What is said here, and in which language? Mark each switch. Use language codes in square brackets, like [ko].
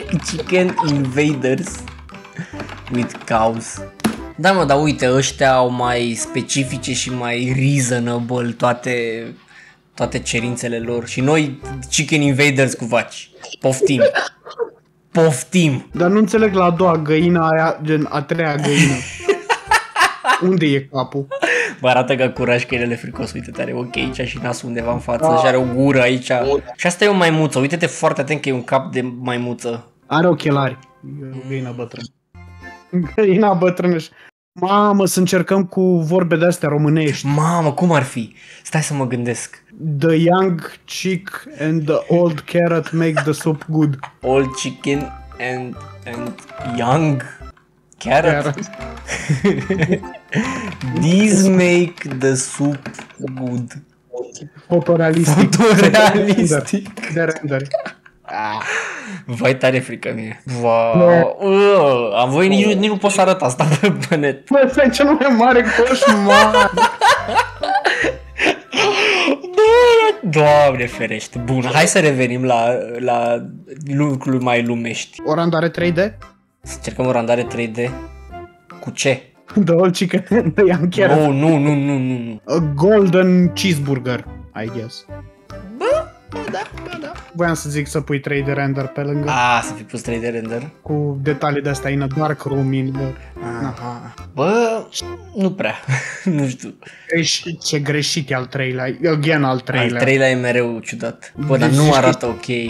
[en] Chicken Invaders with cows. [ro] Da, mă, dar uite, ăștia au mai specifice și mai reasonable toate cerințele lor. Și noi, Chicken Invaders cu vaci. Poftim. Poftim. Dar nu înțeleg la a doua găină aia, gen a treia găină. Unde e capul? Bă, arată că curaj că elele fricos. Uite, are ochi aici și nasul undeva în față. Da. Și are o gură aici. Bun. Și asta e o maimuță. Uite-te foarte atent că e un cap de maimuță. Are ochelari. Găina bătrână. Găina bătrână. Mamă, să încercăm cu vorbe de-astea românești. Mamă, cum ar fi? Stai să mă gândesc. [en] The young chick and the old carrot make the soup good. Old chicken and young carrot. These make the soup good. [ro] Fotorealistic. Fotorealistic. De render. Vai, tare frică mie. Wow. Am voie, nici nu pot să arăt asta pe net. Bă, stai, cel mai mare coșmar. Doamne ferește. Bun, hai să revenim la lucruri mai lumești. O randare 3D? Să încercăm o randare 3D. Cu ce? Dolcică, de am chiar. Oh, nu. [en] A golden cheeseburger, I guess. [ro] Bă, da. voiam să zic să pui 3D render pe lângă. A, să fi pus 3D render. Cu detalii de-astea [en] in a dark room in the... [ro] Aha. Bă, nu prea, nu știu. Ești ce greșit e al treilea, again al treilea. Al treilea e mereu ciudat. Bă, dar nu arată ok.